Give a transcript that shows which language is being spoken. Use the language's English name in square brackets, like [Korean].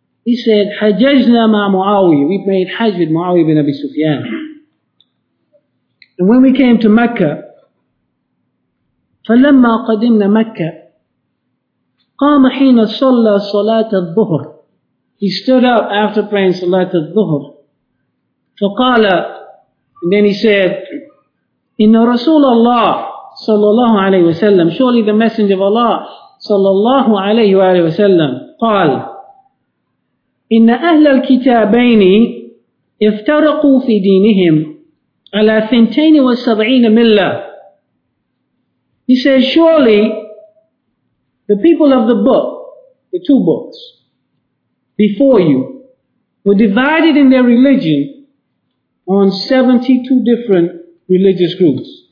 [English] He said, [Arabic] حَجَّجْنَا مَعَ مُعَاوِيَ, [English] we've made hajj with Muawiyah ibn Abi Sufyan. And when we came to Mecca, [Arabic] فَلَمَّا قَدِمْنَا مَكَّةَ قَامَ حِينَ صَلَّى صَلَاةَ الظُّهُرِ, [English] he stood up after praying Salat al-Dhuhr. [Arabic] فَقَالَ, [English] and then he said, [Arabic] إِنَّ رَسُولَ اللَّهِ صَلَى اللَّهُ عَلَيْهِ وَسَلَّمْ, [English] surely the Messenger of Allah [Arabic] صلى الله عليه وآله وسلم قال إن أهل الكتابين افترقوا في دينهم على 72 ملة. [English] He says, surely the people of the book, the two books before you, were divided in their religion on 72 different religious groups.